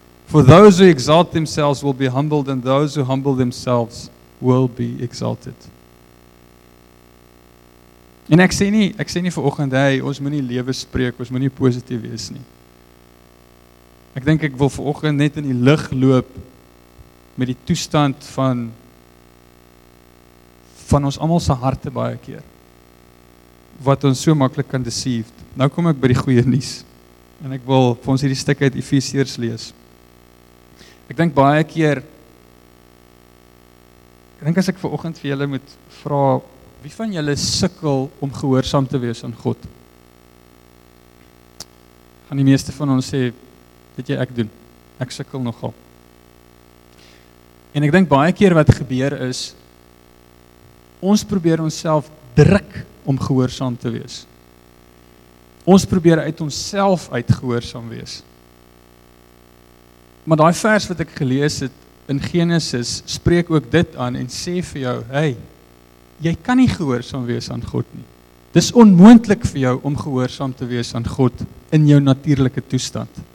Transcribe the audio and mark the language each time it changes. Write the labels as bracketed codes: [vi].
[en] For those who exalt themselves will be humbled, and those who humble themselves will be exalted. [af] En ek sê nie vir oggend, hey, ons moet nie lewe spreek, ons moet nie positief wees nie. Ek dink ek wil vir oggend net in die lig loop met die toestand van ons almal se harte baie keer, wat ons so maklik kan deceived. Nou kom ek by die goeie nuus, en ek wil vir ons hierdie stuk uit Efesiërs lees. Ek dink baie keer, ek dink as ek vir oggend vir julle moet vra, wie van julle sukkel om gehoorsaam te wees aan God? Gaan die meeste van ons sê, weet jy, ek doen. Ek sukkel nogal. En ek dink baie keer wat gebeur is, ons probeer onsself druk om gehoorsaam te wees. Ons probeer uit onsself uit gehoorsaam wees. Maar daai vers wat ek gelees het in Genesis, spreek ook dit aan en sê vir jou, hey, jy kan nie gehoorsaam wees aan God nie. Dis onmoontlik vir jou om gehoorsaam te wees aan God in jou natuurlike toestand.